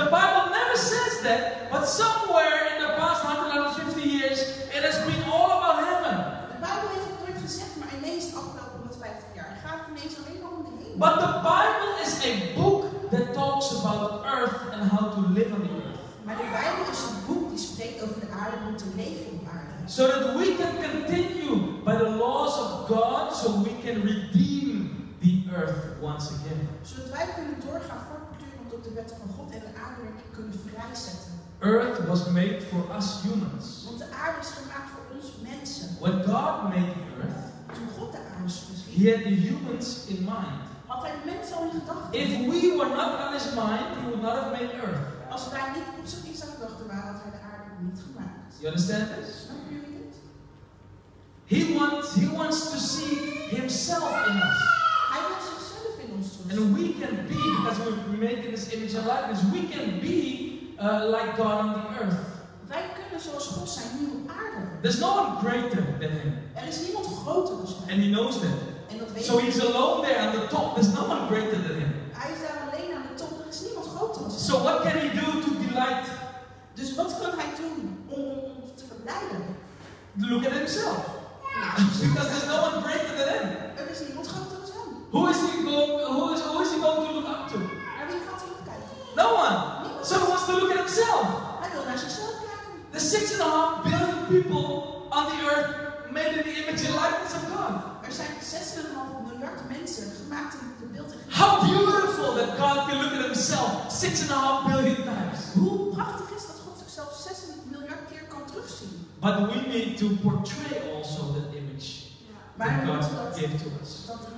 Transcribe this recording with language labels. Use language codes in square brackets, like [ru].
[en] The Bible never says that, but somewhere in the past 150 years, it has been all about heaven. [nl] De Bijbel heeft het nooit gezegd, maar ineens de afgelopen 150 jaar gaat het ineens alleen maar om de hemel. [en] But the Bible is a book that talks about earth and how to live on the earth. [nl] Maar de Bijbel is een boek die spreekt over de aarde en hoe te leven op aarde. [en] So that we can continue by the laws of God, so we can redeem the earth once again. [nl] Zodat wij kunnen doorgaan voortdurend op de wetten van God en de aarde kunnen vrijzetten. [en] Earth was made for us humans. [nl] Want de aarde is gemaakt voor ons mensen. [en] When God made the earth, [nl] toen God de aarde schiep, [en] He had the humans in mind. [nl] Had hij mensen al in gedachten? [en] If we were not on his mind, he would not have made earth. [nl] Als wij niet op zijn eerste gedachten waren, had hij de aarde niet gemaakt. [en] You understand this? He wants to see himself in us. [nl] Hij wil zichzelf in ons terug. [en] And we can be, because we're making this image of likeness, we can be like God on the earth. [nl] Wij kunnen zoals God zijn hier op aarde. [en] There's no one greater than him. [nl] Er is niemand groter dan hem. [en] And he knows that. So he's alone there on the top. There's no one greater than him. [nl] Hij is daar alleen aan de top. Er is niemand groter. [en] So what can he do to delight? [nl] Dus wat kan hij doen om te verblijden? [en] Look at himself. Because there's no one greater than him. [nl] Er is niemand groter dan hem. [en] Who is he going? Who is he going to look up to? [nl] Naar wie gaat hij kijken? [en] No one. So he wants to look at himself. [nl] Hij wil naar zichzelf kijken. [en] The 6.5 billion people on the earth made in the image and likeness of God. [nl] Er zijn 6.5 miljard mensen gemaakt in de beeld. [en] How beautiful that God can look at himself 6.5 billion times. [nl] Hoe prachtig is dat God zichzelf 6 miljard keer kan terugzien? [en] But we need to portray also the image that God gave to us.